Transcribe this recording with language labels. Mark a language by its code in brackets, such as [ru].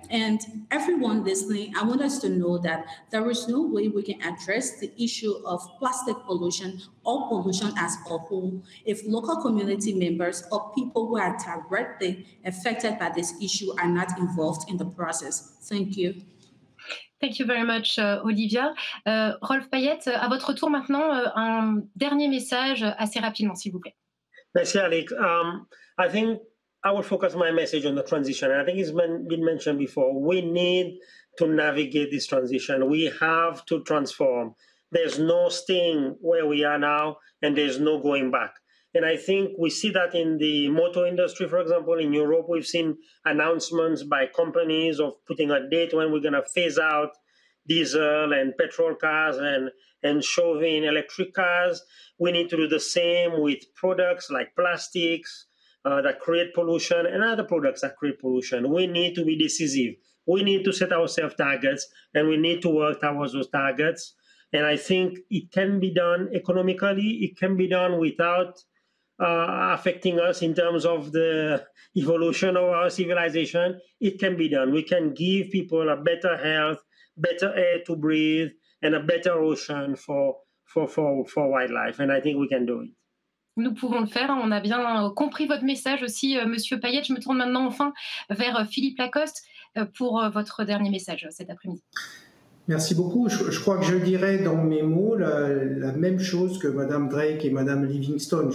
[en] And everyone listening, I want us to know that there is no way we can address the issue of plastic pollution or pollution as a whole if local community members or people who are directly affected by this issue are not involved in the process. Thank you. Thank you very much, Olivia. [fr] Rolf Payette, à votre tour maintenant, un dernier message assez rapidement, s'il vous plaît. Merci, Alec. [en] I think I will focus my message on the transition. I think it's been mentioned before. We need to navigate this transition. We have to transform. There's no staying where we are now, and there's no going back. And I think we see that in the motor industry, for example. In Europe, we've seen announcements by companies of putting a date when we're going to phase out diesel and petrol cars and shoving electric cars. We need to do the same with products like plastics that create pollution and other products that create pollution. We need to be decisive. We need to set ourselves targets, and we need to work towards those targets. And I think it can be done economically. It can be done without affecting us in terms of the evolution of our civilization, it can be done. We can give people a better health, better air to breathe, and a better ocean for wildlife. And I think we can do it. [fr] Nous pouvons le faire. On a bien compris votre message aussi, Monsieur Payet. Je me tourne maintenant enfin vers Philippe Lacoste pour votre dernier message cet après-midi. Merci beaucoup. Je crois que je dirais dans mes mots la même chose que Madame Drake et Madame Livingston.